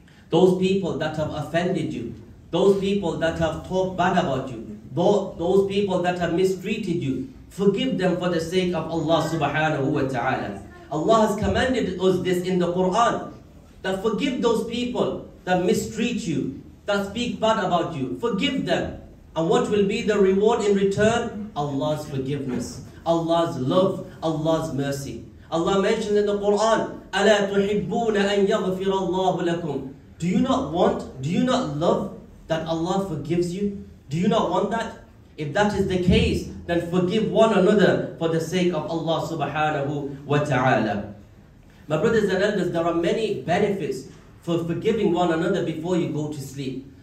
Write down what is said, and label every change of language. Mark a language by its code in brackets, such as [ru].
[en] Those people that have offended you, those people that have talked bad about you, those people that have mistreated you, forgive them for the sake of Allah subhanahu wa ta'ala. Allah has commanded us this in the Quran, that forgive those people that mistreat you, that speak bad about you, forgive them. And what will be the reward in return? Allah's forgiveness, Allah's love, Allah's mercy. Allah mentioned in the Quran, [ar] أَلَا تُحِبُّونَ أَن يَغْفِرَ اللَّهُ لَكُمْ. [en] Do you not want, do you not love that Allah forgives you? Do you not want that? If that is the case, then forgive one another for the sake of Allah subhanahu wa ta'ala. My brothers and elders, there are many benefits for forgiving one another before you go to sleep.